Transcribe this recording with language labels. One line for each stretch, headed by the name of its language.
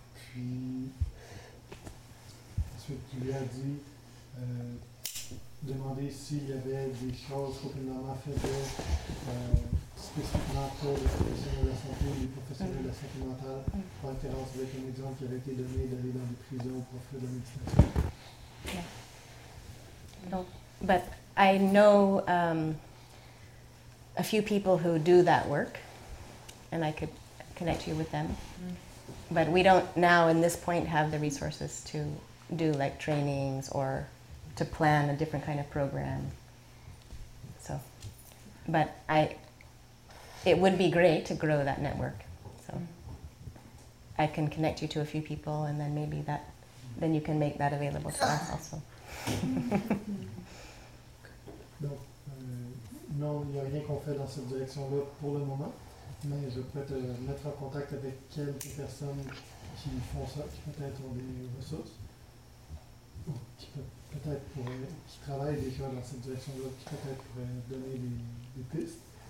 French: Puis, ensuite, tu lui as dit, demander s'il y avait des choses qu'Open Dharma faisait spécifiquement pour les professionnels de la santé ou les professionnels de la santé mentale, par référence avec un exemple qui avait été donné d'aller dans des prisons pour faire de la méditation.
English: Yeah.
French: Donc,
English: but I know a few people who do that work, and I could connect you with them. Mm. But we don't now, in this point, have the resources to do like trainings or to plan a different kind of program. So, but it would be great to grow that network. So, I can connect you to a few people, and then maybe then you can make that available to us also.
French: Non, il n'y a rien qu'on fait dans cette direction-là pour le moment, mais je peux te mettre en contact avec quelques personnes qui font ça, qui peut-être ont des ressources, ou qui peut-être pourraient, qui travaillent déjà dans cette direction-là, qui peut-être pourraient donner des pistes.